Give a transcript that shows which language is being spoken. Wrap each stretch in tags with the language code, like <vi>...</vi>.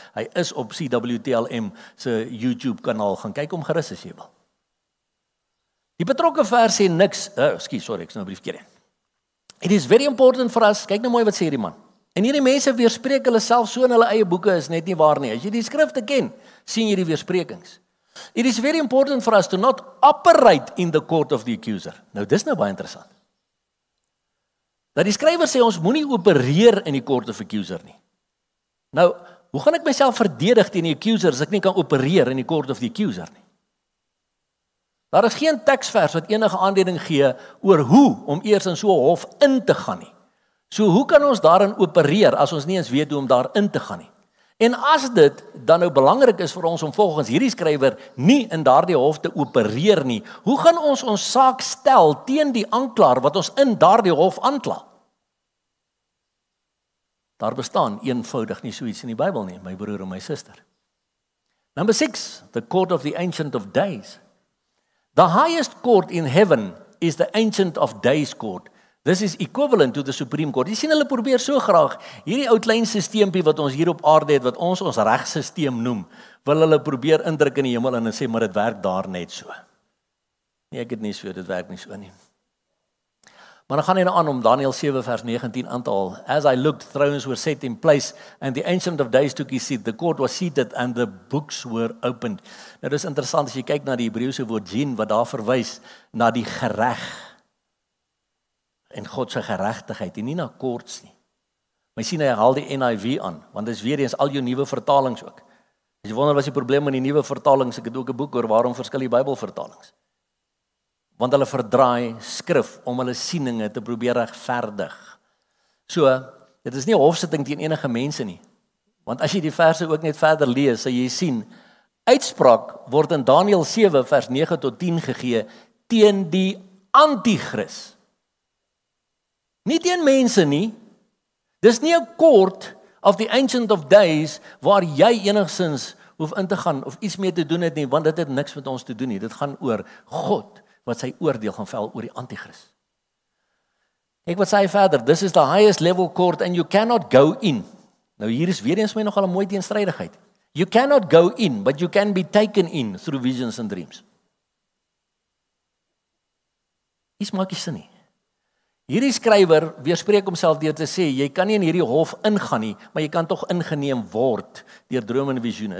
<af>Hy is op CWTLM se YouTube kanaal. Gaan kyk om gerus as jy wil. Die betrokke vers sê niks. Ek is nou brief keer in.</af> <en>It is very important for us.</en> <af>Kyk nou mooi wat sê hierdie man. En hierdie mense weerspreek hulle self so in hulle eie boeke is net nie waar nie. As jy die skrifte ken, sien jy die weersprekings.</af> <en>It is very important for us to not operate in the court of the accuser.</en> <af>Nou, dis nou baie interessant. Dat die skrywer sê, ons moenie opereer in die</af> <en>court of accuser</en> <af>nie. Nou, hoe gaan ek myself verdedig teen die accuser as ek nie kan opereer in die</af> <en>court of the accuser</en> <af>nie? Daar is geen teksvers wat enige aanduiding gee oor hoe om eers in so 'n hof in te gaan nie. So hoe kan ons daarin opereer as ons nie eens weet hoe om daar in te gaan nie? En as dit dan nou belangrik is vir ons om volgens hierdie skrywer nie in daardie hof te opereer nie, hoe gaan ons ons saak stel teen die aanklaer wat ons in daardie hof aankla? Daar bestaan eenvoudig nie so iets in die Bybel nie, my broer en my suster.</af> <en>Number 6, the court of the Ancient of Days. The highest court in heaven is the Ancient of Days court. This is equivalent to the Supreme Court.</en> <af>Jy sien, hulle probeer so graag, hierdie ou klein systeempie wat ons hier op aarde het, wat ons regsisteem noem, wil hulle probeer indruk in die hemel en sê, maar dit werk daar net so. Nee, ek het nie so, dit werk nie so nie. Maar dan gaan hy nou aan om Daniel 7 vers 19 aan te haal.</af> <en>As I looked, thrones were set in place, and the Ancient of Days took his seat. The court was seated, and the books were opened.</en> <af>Nou, dit is interessant, as jy kyk na die Hebreeuse woord Jin, wat daar verwys na die gereg, en God se geregtigheid, en nie na courts nie. Maar sien, hy haal die NIV aan, want dit is weer eens al jou nuwe vertalings ook. As jy wonder, was die probleem met die nuwe vertalings, ek het ook 'n boek oor waarom verskil die Bybelvertalings. Want hulle verdraai skrif om hulle sieninge te probeer regverdig. So, dit is nie hofsitting teen enige mense nie. Want as jy die verse ook net verder lees, sal jy sien, uitspraak word in Daniel 7 vers 9 tot 10 gegee teen die antichrist. Nie teen mense nie. Dis nie 'n</af> <en>court of the Ancient of Days</en> <af>waar jy enigsins hoef in te gaan of iets mee te doen het nie, want dit het niks met ons te doen nie. Dit gaan oor God wat sy oordeel gaan vel oor die antichrist. Ek wat sê verder,</af> <en>this is the highest level court and you cannot go in.</en> <af>Nou hier is weer eens my nogal 'n mooi teenstrydigheid.</af> <en>You cannot go in, but you can be taken in through visions and dreams.</en> <af>Iets maak nie sin nie. Hierdie skrywer weerspreek homself deur te sê, jy kan nie in hierdie hof ingaan nie, maar jy kan tog ingeneem word deur drome en visioene.</af>